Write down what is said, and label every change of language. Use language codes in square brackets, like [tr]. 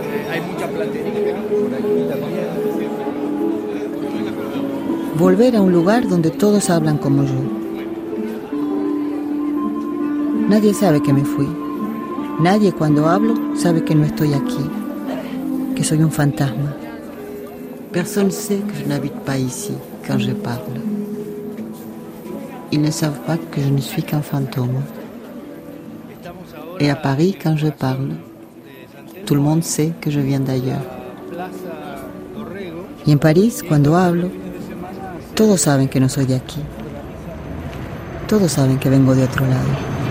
[es] Hay mucha platería por aquí también. Volver a un lugar donde todos hablan como yo. Nadie sabe que me fui. Nadie cuando hablo sabe que no estoy aquí, que soy un fantasma. [fr] Personne sait que je n'habite pas ici quand je parle. Ils ne savent pas que je ne suis qu'un fantôme. Et à Paris, quand je parle, tout le monde sait que je viens d'ailleurs. [es] Y en París, cuando hablo, todos saben que no soy de aquí. Todos saben que vengo de otro lado.